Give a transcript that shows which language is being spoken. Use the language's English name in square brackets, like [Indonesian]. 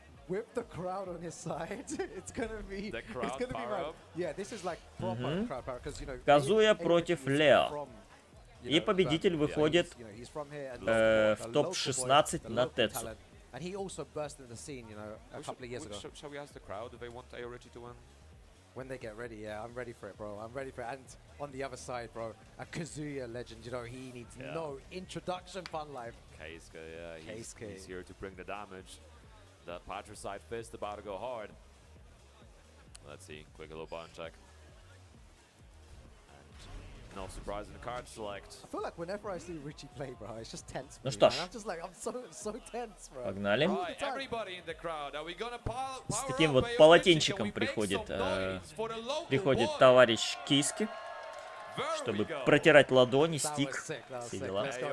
[English] With the crowd on his side, it's gonna be, it's gonna be right. Yeah, this is like proper crowd power, because you know. [Russian] Казуя против Лео. И победитель выходит в топ 16 на Тецу. [English] And he also burst into the scene, you know, a couple of years ago. Shall we ask the crowd if they want Ayo Ritchie to win? When they get ready, yeah, I'm ready for it, bro. I'm ready for it. And on the other side, bro, a Kazuya legend, you know, he needs no introduction, fun life. Keisuke, yeah, he's here to bring the damage. The patricide fist about to go hard. Let's see, quick little button check. And no surprise in the card select. I feel like whenever I see Richie play, bro, it's just tense. [Russian] Ну что ж. [English] I'm just like, I'm so tense, bro. [Russian] Погнали. [English] Right, everybody in the crowd, are we gonna power [Russian] с таким вот полотенчиком приходит, приходит товарищ Киски. Чтобы протирать ладони, стик, все дела.